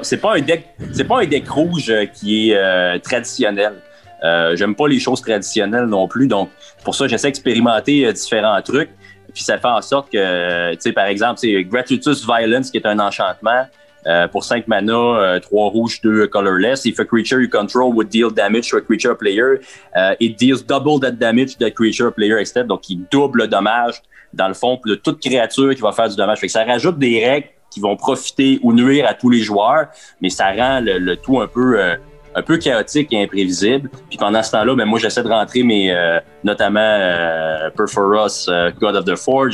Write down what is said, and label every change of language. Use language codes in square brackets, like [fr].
[fr] C'est pas un deck rouge qui est traditionnel. J'aime pas les choses traditionnelles non plus. Donc, pour ça, j'essaie d'expérimenter différents trucs. Puis ça fait en sorte que, tu sais, par exemple, c'est Gratuitous Violence qui est un enchantement. Pour 5 mana, 3 rouges, 2 colorless. [en] If a creature you control would deal damage to a creature player, it deals double that damage to the creature player except. [fr] Donc, il double le dommage. Dans le fond, de toute créature qui va faire du dommage. Fait que ça rajoute des règles qui vont profiter ou nuire à tous les joueurs, mais ça rend le tout un peu chaotique et imprévisible. Puis pendant ce temps-là, ben moi, j'essaie de rentrer notamment Perforos, God of the Forge.